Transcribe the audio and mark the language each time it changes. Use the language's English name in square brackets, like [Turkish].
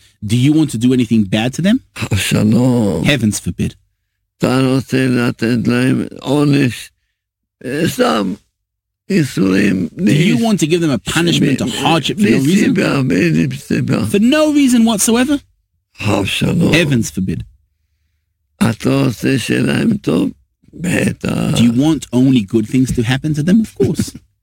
[English] Do you want to do anything bad to them? Heavens forbid. [Hebrew] אתה רוצה לתת להם עונש, סתם איסורים. [English] Do you want to give them a punishment, a hardship for no reason? For no reason whatsoever? Absolutely. Heavens forbid. [Hebrew] אתה רוצה שלהם טוב? בטח. [English] Do you want only good things to happen to them? Of course.